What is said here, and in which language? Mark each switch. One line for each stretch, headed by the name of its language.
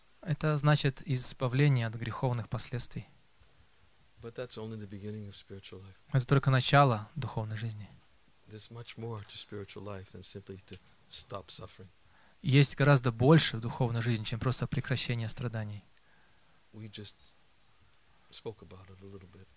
Russian: Это значит избавление от греховных последствий.
English: But that's only the beginning of spiritual life.
Russian: Это только начало духовной жизни.
English: There's much more to spiritual life than simply to stop suffering.
Russian: Есть гораздо больше в духовной жизни, чем просто прекращение страданий.
English: We just spoke about it a little bit.